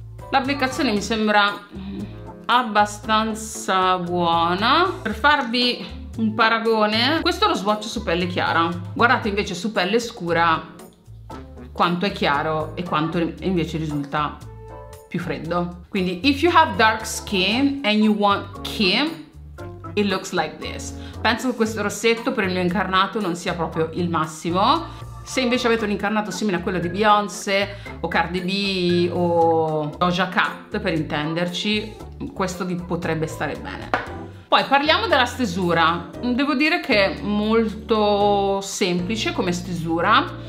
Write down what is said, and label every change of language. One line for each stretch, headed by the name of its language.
Italian: L'applicazione mi sembra abbastanza buona. Per farvi un paragone, questo lo swatch su pelle chiara. Guardate invece su pelle scura quanto è chiaro e quanto invece risulta più freddo. Quindi,
English: if you have dark skin and you want Kim, it looks like this.
Italian: Penso che questo rossetto per il mio incarnato non sia proprio il massimo. Se invece avete un incarnato simile a quello di Beyoncé o Cardi B o Doja Cat, per intenderci, questo vi potrebbe stare bene. Poi parliamo della stesura. Devo dire che è molto semplice come stesura.